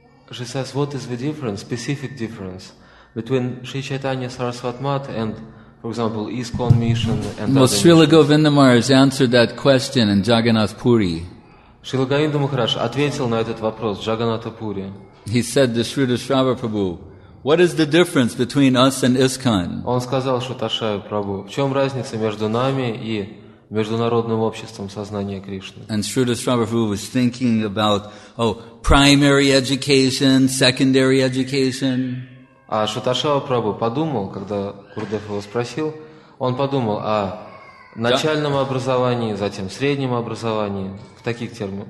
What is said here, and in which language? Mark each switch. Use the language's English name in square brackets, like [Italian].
[English] She says, what is the difference, specific difference between Sri Chaitanya Sarasvatmat and, for example, Iskon Mission and well, Srila Govinda Maharaj answered that question in Jagannath Puri. [Russian] Srila Govinda Maharaj ответил на этот вопрос в Jagannath Puri. [English] He said to Srila Shrava Prabhu, what is the difference between us and Iskon? [Russian] Он сказал Шуташаю Прабу, в чем разница между нами и Международным обществом сознания Кришны. [English] And Srila Shravaprabhu was thinking about, oh, primary education, secondary education. [Russian] А Шуташава Прабху подумал, когда Курдев его спросил, он подумал о начальном образовании, затем среднем образовании, в таких термах